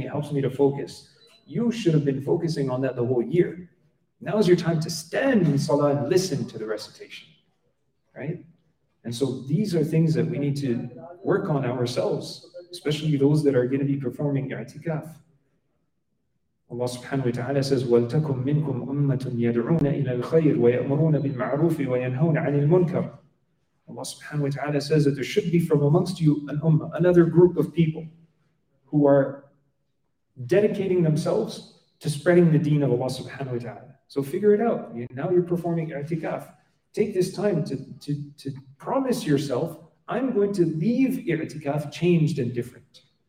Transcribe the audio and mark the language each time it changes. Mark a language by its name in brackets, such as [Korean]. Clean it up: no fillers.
[English] It helps me to focus. You should have been focusing on that the whole year. Now is your time to stand in Salah and listen to the recitation. Right? And so these are things that we need to work on ourselves, especially those that are going to be performing i'tikaf. Allah subhanahu wa ta'ala says, [Arabic] وَلْتَكُمْ مِنْكُمْ أُمَّةٌ يَدْعُونَ إِلَى الْخَيْرِ وَيَأْمُرُونَ بِالْمَعْرُوفِ وَيَنْهَوْنَ عَنِ الْمُنْكَرِ. [English] Allah subhanahu wa ta'ala says that there should be from amongst you an ummah, another group of people who are dedicating themselves to spreading the deen of Allah subhanahu wa ta'ala. So figure it out. Now you're performing i'tikaf. Take this time to promise yourself, I'm going to leave i'tikaf changed and different.